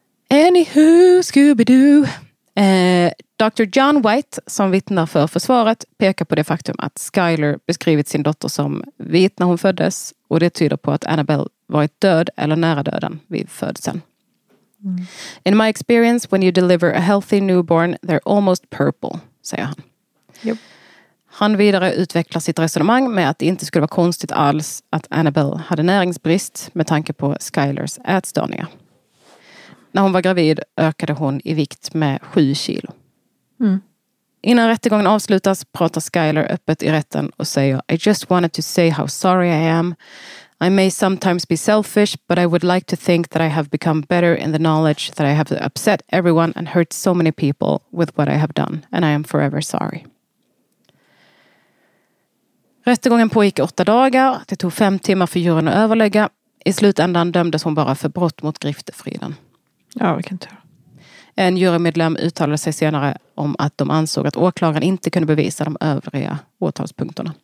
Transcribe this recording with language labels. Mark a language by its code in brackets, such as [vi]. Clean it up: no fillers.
[en] Anywho, Scooby-Doo. Dr. [sv] John White, som vittnar för försvaret, pekar på det faktum att Skyler beskrivit sin dotter som vit när hon föddes, och det tyder på att Annabelle varit död eller nära döden vid födseln. [en] In my experience, when you deliver a healthy newborn, they're almost purple, [sv] säger han. [en] Yep. [sv] Han vidare utvecklar sitt resonemang med att det inte skulle vara konstigt alls att Annabelle hade näringsbrist med tanke på Skylers ätstörningar. När hon var gravid ökade hon i vikt med 7 kilo. Mm. Innan rättegången avslutas pratar Skyler öppet i rätten och säger, [en] I just wanted to say how sorry I am. I may sometimes be selfish, but I would like to think that I have become better in the knowledge that I have upset everyone and hurt so many people with what I have done. And I am forever sorry. [sv] Rättegången pågick 8 dagar. Det tog 5 timmar för juryn att överlägga. I slutändan dömdes hon bara för brott mot griftefriden. Ja, vi kan ta. En jurymedlem uttalade sig senare om att de ansåg att åklagaren inte kunde bevisa de övriga åtalspunkterna.